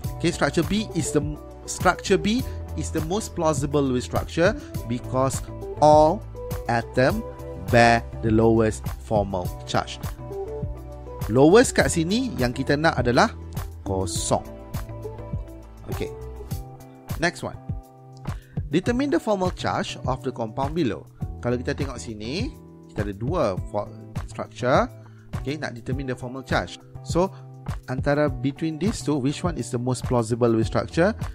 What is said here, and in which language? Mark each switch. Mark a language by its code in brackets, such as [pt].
[en] Okay, structure B is the most plausible Lewis structure because all atom bear the lowest formal charge. [ms] Lowest kat sini yang kita nak adalah kosong. [en] Okay, next one. Determine the formal charge of the compound below. [ms] Kalau kita tengok sini, kita ada dua [en] structure. Okay, nak determine the formal charge. So, antara between these two, which one is the most plausible Lewis structure?